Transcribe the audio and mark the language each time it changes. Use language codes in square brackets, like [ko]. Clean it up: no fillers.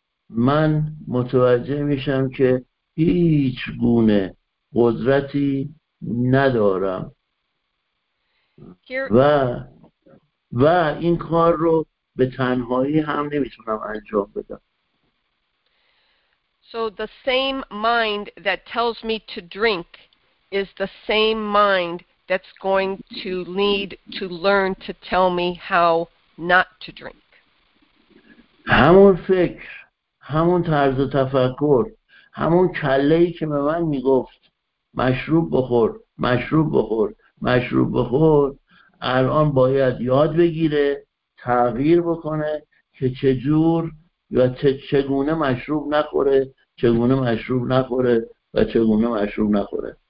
[fa] من متوجه میشم که هیچ گونه قدرتی ندارم. و این کار رو به تنهایی هم نمیتونم انجام بدم. [en] So the same mind that tells me to drink is the same mind that's going to need to learn to tell me how not to drink. [fa] همون فکر، همون طرز تفکر، همون کله‌ای که به من میگفت مشروب بخور، مشروب بخور، مشروب بخور، الان باید یاد بگیره تغییر بکنه که چجور یا چگونه مشروب نخوره، چگونه مشروب نخوره و چگونه مشروب نخوره.